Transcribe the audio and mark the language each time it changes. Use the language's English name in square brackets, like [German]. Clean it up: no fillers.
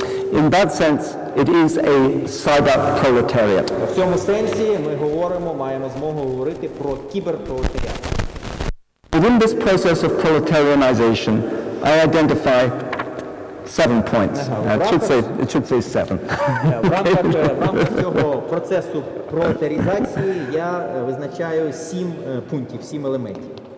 [English] In that sense, it is a cyber-proletariat. [Ukrainian] В цьому сенсі ми говоримо, маємо змогу говорити про кібер-пролетаріат. [English] Within this process of proletarianization, I identify 7 points. It should say 7. [Ukrainian] В рамках цього процесу пролетаризації я визначаю 7 пунктів, 7 елементів.